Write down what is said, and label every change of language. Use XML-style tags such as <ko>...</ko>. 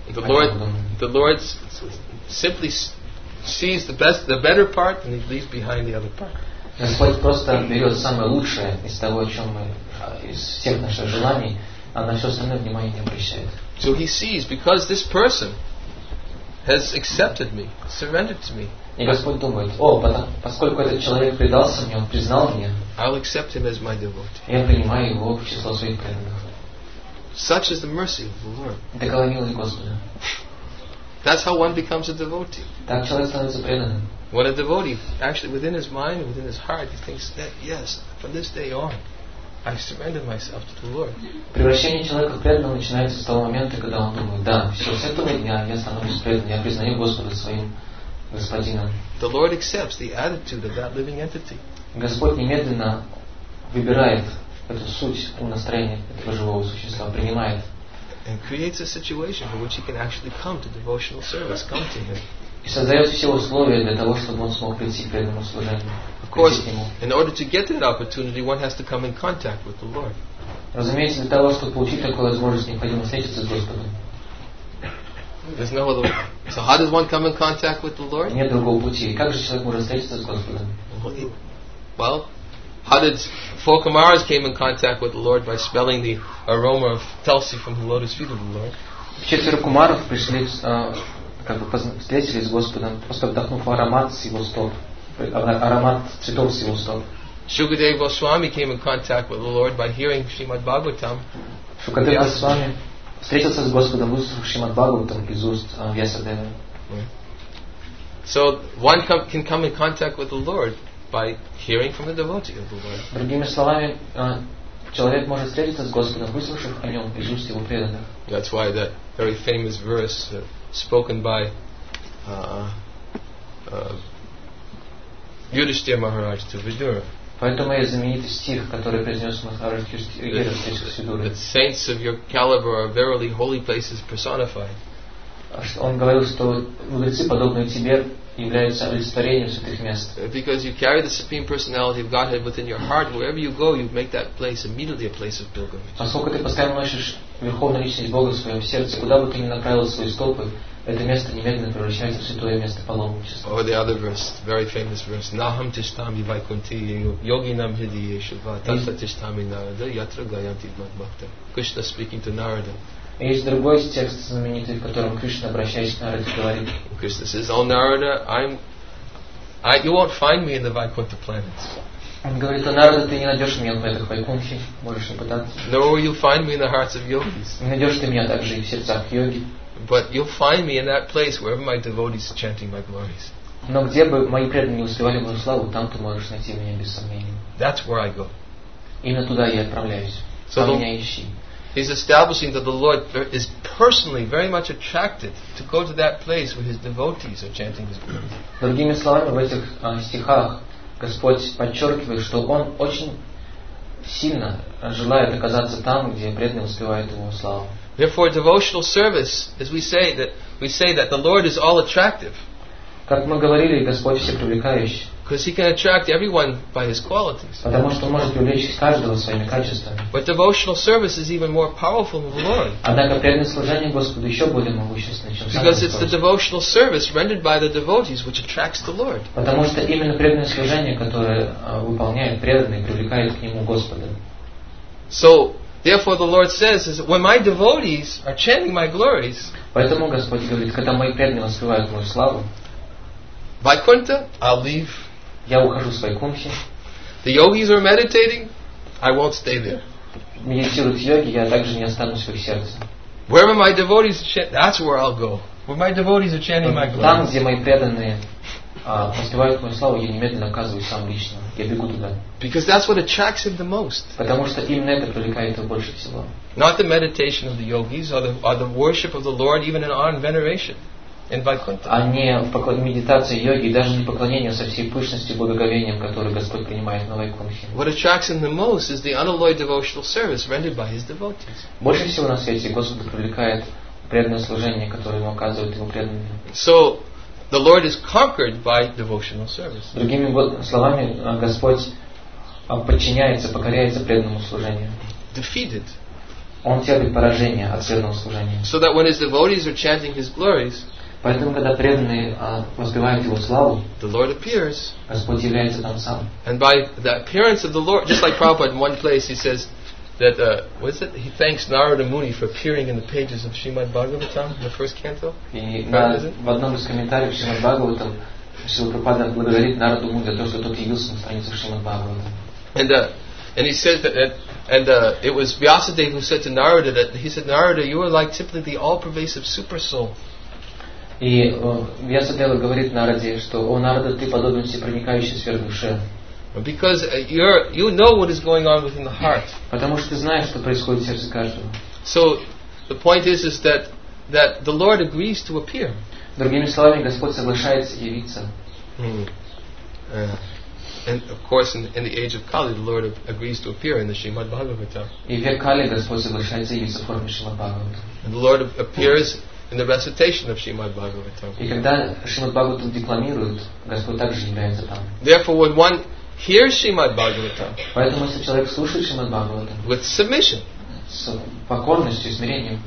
<en>The Lord, simply sees the best, the better part, and he leaves behind the other part.</en> <ru>Господь просто берет самое лучшее из того, о чем мы, из всех наших желаний, а на все остальное внимание не обращает.</ru> <en>So he sees because this person has accepted me, surrendered to me.</en> <ru>И Господь думает: о, поскольку этот человек предался мне, он признал меня.</ru> <en>I'll accept him as my devotee.</en> <ru>Я принимаю его в число своих преданных.</ru> <en>Such is the mercy of the Lord.</en> <ru>Такова милость Господа.</ru> <en>That's how one becomes a devotee.</en> <ru>Так человек становится преданным.</ru> <en>When a devotee, actually within his mind, within his heart, he thinks that yes, from this day on, I surrender myself to the Lord.</en> <ru>Превращение человека в преданного начинается с того момента, когда он думает: да, все, с этого дня я становлюсь преданным, я признаю Господа своим Господином.</ru> <en>The Lord accepts the attitude of that living entity.</en> <ru>Господь немедленно выбирает эту суть, настроение этого живого существа, принимает.</ru> <en>And creates a situation for which he can actually come to devotional service, come to him.</en> <ru>И создает все условия для того, чтобы он смог прийти к этому служению.</ru> <en>Of course, in order to get that opportunity, one has to come in contact with the Lord.</en> <ru>Разумеется, для того, чтобы получить такую возможность, необходимо встретиться с Господом.</ru> <en>There's no other way. So how does one come in contact with the Lord?</en> <ru>Нет другого пути. Как же человек может встретиться с Господом?</ru> <en>Well, how did four Kumaras came in contact with the Lord by smelling the aroma of Tulsi from the lotus feet of the Lord?</en> <ru>Четверо Кумаров пришли, как бы встретились с Господом, просто вдохнув аромат с его стоп, аромат цветов с его стоп.</ru> <en>Shukadeva Goswami came in contact with the Lord by hearing Srimad Bhagavatam.</en> <ru>Shukadeva Goswami встретился с Господом, услышав Шримад Бхагаватам из уст Вьясадевы.</ru> <en>So one can come in contact with the Lord by hearing from the devotee of the Lord.</en> <ru>Другими словами, человек может встретиться с Господом, выслушав о нем из уст его преданных.</ru> <en>That's why that very famous verse spoken by Yudhishthira Maharaj to Vidura.</en> <ru>Поэтому я знаменитый стих, который произнес Махарадж Юдхиштхира в честь Сидуры.</ru> <en>That saints of your caliber are verily holy places personified.</en> <ru>Он говорил, что мудрецы подобные тебе являются олицетворением святых мест.</ru> <en>Because you carry the supreme personality of Godhead within your heart, wherever you go, you make that place immediately a place of pilgrimage.</en> <ru>Поскольку ты постоянно носишь верховную личность Бога в своем сердце, куда бы ты ни направил свои стопы, это место немедленно превращается в святое место паломничества.</ru> <en>Or the other verse, very famous verse:</en> <sa>Naham tishtami vaikunti yoginam hidiyeshva tatva tishtami narada yatra gayanti madbhakta.</sa> <en>Krishna speaking to Narada.</en> <ru>Есть другой текст знаменитый, в котором Кришна, обращаясь к Нараде, говорит.</ru> <en>Krishna says, "Oh Narada, you won't find me in the Vaikuntha planets."</en> <ru>Он говорит: "О Нарада, ты не найдешь меня в этих Вайкунтхе, можешь не пытаться."</ru> <en>Nor will you find me in the hearts of yogis.</en> <ru>Не найдешь ты меня также и в сердцах йоги.</ru> <en>But you'll find me in that place wherever my devotees are chanting my glories.</en> <ru>Но где бы мои преданные успевали мою славу, там ты можешь найти меня без сомнения.</ru> <en>That's where I go.</en> <ru>Именно туда я отправляюсь. Там меня ищи.</ru> <en>He's establishing that the Lord is personally very much attracted to go to that place where his devotees are chanting his glories.</en> <ru>Другими словами, в этих стихах Господь подчеркивает, что он очень сильно желает оказаться там, где преданные успевают его славу.</ru> <en>Therefore, devotional service, as we say that the Lord is all attractive.</en> <ru>Как мы говорили, Господь всепривлекающий.</ru> <en>Because he can attract everyone by his qualities.</en> <ru>Потому что может привлечь каждого своими качествами.</ru> <en>But devotional service is even more powerful than the Lord.</en> <ru>Однако преданное служение Господу еще более могущественное, чем сам Господь.</ru> <en>Because it's the devotional service rendered by the devotees which attracts the Lord.</en> <ru>Потому что именно преданное служение, которое выполняет преданный, привлекает к нему Господа.</ru> <en>So. Therefore, the Lord says, when my devotees are chanting my glories,</en> <ru>поэтому Господь говорит, когда мои преданные воспевают мою славу,</ru> <en>Vaikuntha, I'll leave.</en> <ru>Я ухожу с Вайкунтхи.</ru> <en>The yogis are meditating, I won't stay there.</en> <ru>Медитируют йоги, я также не останусь в их сердце.</ru> <en>Wherever my devotees chant, that's where I'll go. Where my devotees are chanting my glories.</en> <ru>Там, где мои преданные Поспевают мою славу, я немедленно оказываюсь сам лично. Я бегу туда.</ru> <en>Because that's what attracts him the most.</en> <ru>Потому что именно это привлекает его больше всего.</ru> <en>Not the meditation of the yogis, or the worship of the Lord, even in awe and veneration. In Vaikuntha.</en> <ru>А не медитация йоги, даже не поклонение со всей пышностью и благоговением, которое Господь принимает на Вайкунхе.</ru> <en>What attracts him the most is the unalloyed devotional service rendered by his devotees.</en> <ru>Больше всего на свете Господа привлекает преданное служение, которое ему оказывают его преданные.</ru> <en>So, the Lord is conquered by devotional service.</en> <ru>Другими словами, Господь подчиняется, покоряется преданному служению.</ru> <en>Defeated.</en> <ru>Он терпит поражение от преданного служения.</ru> <en>So that when his devotees are chanting his glories,</en> <ru>поэтому, когда преданные воспевают его славу,</ru> <en>the Lord appears,</en> <ru>Господь является там сам.</ru> <en>And by the appearance of the Lord, just like Prabhupada in one place, he says that what is it? He thanks Narada Muni for appearing in the pages of Srimad Bhagavatam, the first canto.</en> <ru>В одном из комментариев Шримад Бхагаватам Шрила Прабхупада благодарит Нараду Муни за то, что тот явился на страницах Шримад Бхагаватам.</ru> <en>And he said that it was Vyasadeva who said to Narada that he said, Narada, you are like simply the all pervasive super soul.</en> <ru>И Вьясадева говорит Нараде, что о Нарада, ты подобен всепроникающей сверхдуше.</ru> <en>Because you know what is going on within the heart.</en> <ru>Потому что ты знаешь, что происходит в сердце каждого.</ru> <en>So the point is that the Lord agrees to appear.</en> <ru>Другими словами, Господь соглашается явиться.</ru> <en>And of course in the age of Kali the Lord agrees to appear in the Srimad Bhagavatam.</en> <ru>И в век Кали Господь соглашается явиться в форме Шримад Бхагаватам.</ru> <en>And the Lord appears in the recitation of Srimad Bhagavatam.</en> <ru>И когда Шримад Бхагаватам декламируют, Господь также является там.</ru> <en>Therefore when one hears Srimad Bhagavatam,</en> <ru>поэтому если человек слушает Шримад Бхагаватам,</ru> <en>with submission,</en> <ru>с покорностью, смирением,</ru>